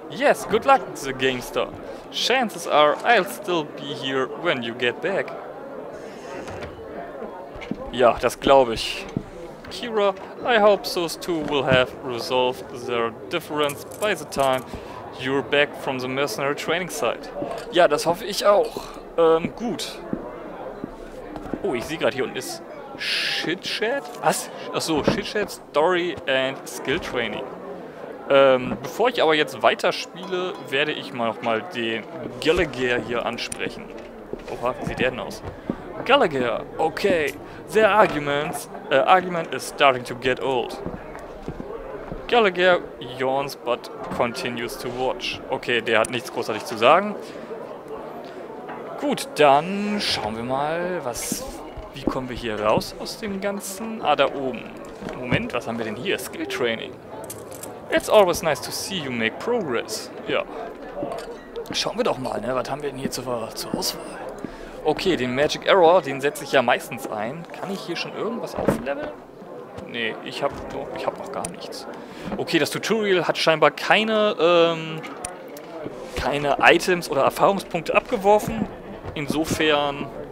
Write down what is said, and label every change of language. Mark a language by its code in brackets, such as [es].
[en] Yes, good luck, the gangster. Chances are I'll still be here when you get back. [de] Ja, das glaube ich. [en] Kira, I hope those two will have resolved their difference by the time you're back from the mercenary training site. [de] Ja, das hoffe ich auch. Gut. Oh, ich sehe gerade, hier unten ist Shitchat. Was? Achso, Shitchat, Story and Skill Training. Bevor ich aber jetzt weiterspiele, werde ich mal nochmal den Gallagher hier ansprechen. Oha, wie sieht der denn aus? [en] Gallagher, okay. Their argument is starting to get old. Gallagher yawns but continues to watch. [de] Okay, der hat nichts großartig zu sagen. Gut, dann schauen wir mal, wie kommen wir hier raus aus dem Ganzen? Ah, da oben. Moment, was haben wir denn hier? Skill Training. [en] It's always nice to see you make progress. [de] Ja. Schauen wir doch mal, ne? Was haben wir denn hier zur Auswahl? Okay, den Magic Arrow, den setze ich ja meistens ein. Kann ich hier schon irgendwas aufleveln? Nee, ich hab noch gar nichts. Okay, das Tutorial hat scheinbar keine Items oder Erfahrungspunkte abgeworfen. Insofern